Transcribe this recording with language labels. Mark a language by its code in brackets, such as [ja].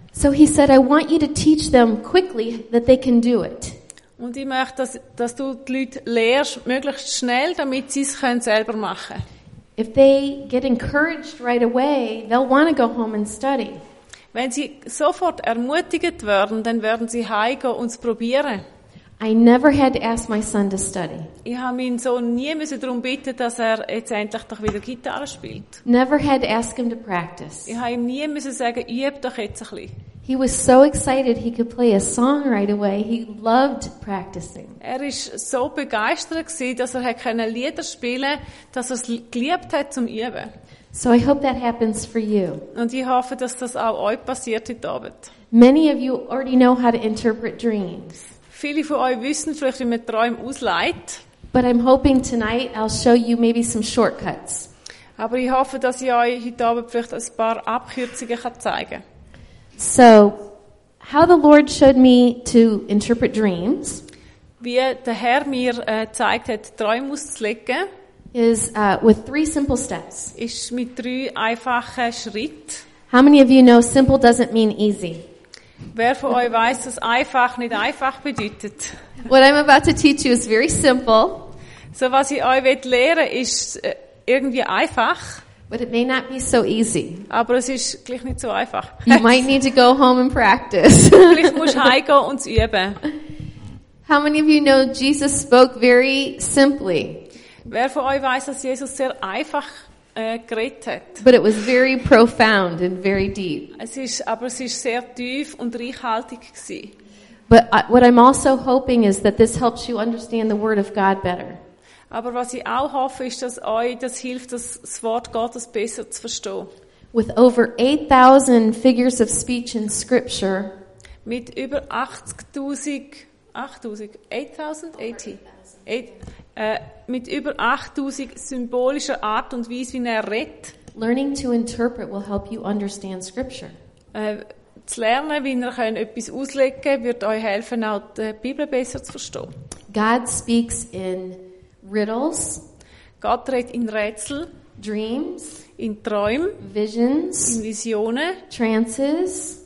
[en] So he said, I want you to teach them quickly that they can do it. [de] Und ich möchte, dass du die Leute lehrst, möglichst schnell, damit sie es selber machen können. [en] If they get encouraged right away, they'll want to go home and study. [de] Wenn sie sofort ermutigt werden, dann werden sie heimgehen und es probieren. [en] I never had to ask my son to study. [de] Ich habe meinen Sohn nie müssen darum bitten, dass er jetzt endlich doch wieder Gitarre spielt. [en] Never had to ask him to practice. [de] Ich habe ihm nie müssen sagen, üb doch jetzt ein bisschen. [en] He was so excited he could play a song right away. He loved practicing. [de] Er ist so begeistert gsi, dass er hätte können Lieder spielen, dass er es geliebt hat zum Üben. [en] So I hope that happens for you. [de] Und ich hoffe, dass das auch euch passiert heute Abend. [en] Many of you already know how to interpret dreams. [de] Viele von euch wissen vielleicht, wie man Träume ausleiht. [en] But I'm hoping tonight I'll show you maybe some shortcuts. [de] Aber ich hoffe, dass ich euch heute Abend vielleicht ein paar Abkürzungen kann zeigen. [en] So, how the Lord showed me to interpret dreams, [de] wie der Herr mir gezeigt hat, Träume auszulegen, [en] is with three simple steps. [de] Ist mit drei einfachen Schritten. [en] How many of you know simple doesn't mean easy? [de] Wer von euch weiß, dass einfach nicht einfach bedeutet? [en] What I'm about to teach you is very simple. [de] So, was ich euch will lehren, ist irgendwie einfach. [en] But it may not be so easy. [de] Aber es ist gleich nicht so einfach. [en] You might need to go home and practice. [de] Vielleicht musst du heimgehen und es üben. [en] How many of you know Jesus spoke very simply? [de] Wer von euch weiß, dass Jesus sehr einfach geredet hat? [en] But it was very profound and very deep. [de] Aber es ist sehr tief und reichhaltig gsi. [en] But what I'm also hoping is that this helps you understand the Word of God better. [de] Aber was ich auch hoffe, ist, dass euch das hilft, das Wort Gottes besser zu verstehen. [en] With over 8,000 figures of speech in Scripture. [de] Mit über 8,000 symbolischer Art und Weise, wie er redet. [en] Learning to interpret will help you understand Scripture. [de] Zu lernen, wie ihr könnt etwas auslegen könnt, wird euch helfen, auch die Bibel besser zu verstehen. [en] God speaks in riddles. [de] Gott redet in Rätsel. [en] Dreams. [de] In Träumen. [en] Visions. [de] In Visionen. [en] Trances.